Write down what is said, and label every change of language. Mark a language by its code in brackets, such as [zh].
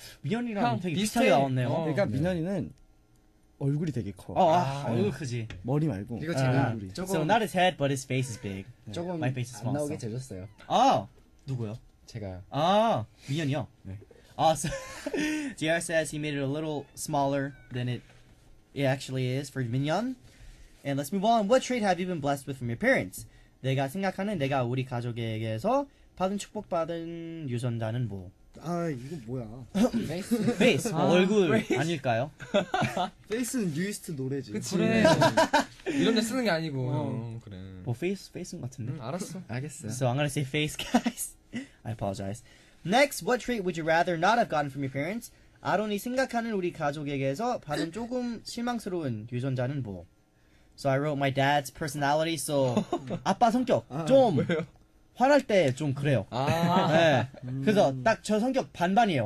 [ko] 민현이랑 되게 비슷하게 나왔네요. 그러니까 민현이는 얼굴이 되게 커. 아, 아, 얼굴 크지. 머리 말고. 이거 제가 얼굴이. 조금... [en] So, not his head, but his face is big. [ko] 조금 [en] My face is small, [ko] 안 나오게 재줬어요. 아! 누구요? 제가요. 아! 민현이요? 네. [en] Awesome. JR says he made it a little smaller than it actually is for Minion. And let's move on. What trait have you been blessed with from your parents? [ko] 내가 생각하는 내가 우리 가족에게서 받은 축복받은 유전자는 뭐? 아, 이거 뭐야? [en] Face. [ko] 뭐 얼굴 아닐까요? Face는 뉴이스트 노래지. 그치. 그래. 이런 데 쓰는 게 아니고. 그래. 뭐 Face, Face인 것 같은데. 알았어. 알겠어. [en] So I'm gonna say Face, guys. I apologize. Next, what trait would you rather not have gotten from your parents? [ko] 아론이 생각하는 우리 가족에게서 받은 조금 실망스러운 유전자는 뭐? [en] So I wrote my dad's personality, so [ko] 아빠 성격 좀 아, 화날 때 좀 그래요. 아, 네. 그래서 딱 저 성격 반반이에요.